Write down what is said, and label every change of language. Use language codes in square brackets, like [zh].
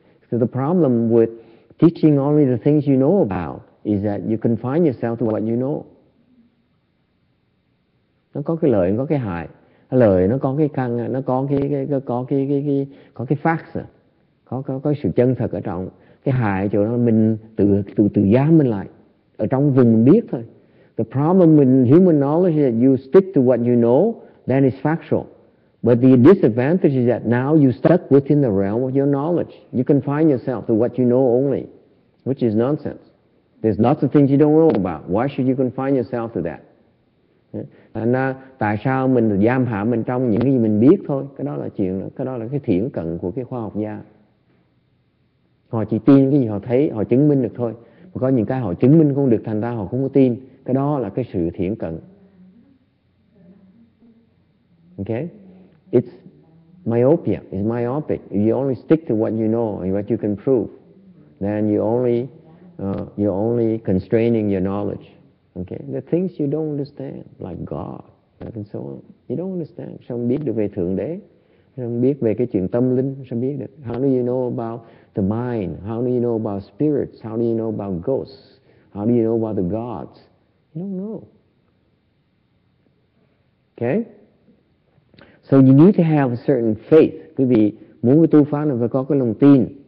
[en] So the problem with teaching only the things you know about is that you confine yourself to what you know. [vi] Nó có cái lợi, có cái hại. Lợi nó có cái căn, nó có cái facts. Có sự chân thật ở trong cái hại chỗ đó mình tự giam mình lại ở trong vùng mình biết thôi. [en] The problem with human knowledge is that you stick to what you know, then it's factual. But the disadvantage is that now you stuck within the realm of your knowledge. You confine yourself to what you know only, which is nonsense. There's lots of things you don't know about. Why should you confine yourself to that? [vi] Nên tại sao mình giam hãm mình trong những cái gì mình biết thôi? Cái đó là chuyện, cái đó là cái thiển cận của cái khoa học gia. Họ chỉ tin cái gì họ thấy, họ chứng minh được thôi. có những cái họ chứng minh không được thành ra họ không có tin. Cái đó là cái sự thiển cận. [en] Okay? It's myopia. It's myopic. You only stick to what you know and what you can prove. Then you're only constraining your knowledge. Okay? The things you don't understand, like God, and so on. You don't understand. [vi] Sao biết được về Thượng Đế? Sao biết về cái chuyện tâm linh? Sao biết được? [en] How do you know about the mind? How do you know about spirits? How do you know about ghosts? How do you know about the gods? You don't know. Okay? So you need to have a certain faith. Quý vị muốn tu pháp là phải có cái lòng tin.